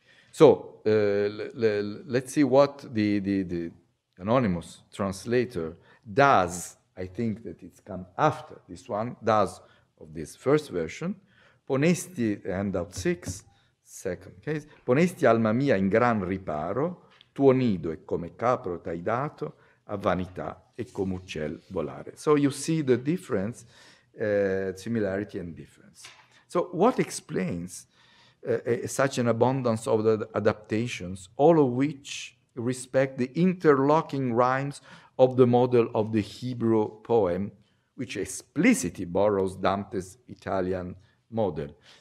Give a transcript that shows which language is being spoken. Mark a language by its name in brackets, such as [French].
[English] So let's see what the anonymous translator does. I think that it's come after this one, does of this first version. Ponesti, handout six, second case. [Italian] Ponesti alma mia in gran riparo, tuo nido e come capro t'hai dato, a vanità e come uccel volare. [English] So you see the difference. Similarity and difference. So what explains such an abundance of the adaptations, all of which respect the interlocking rhymes of the model of the Hebrew poem, which explicitly borrows Dante's Italian model?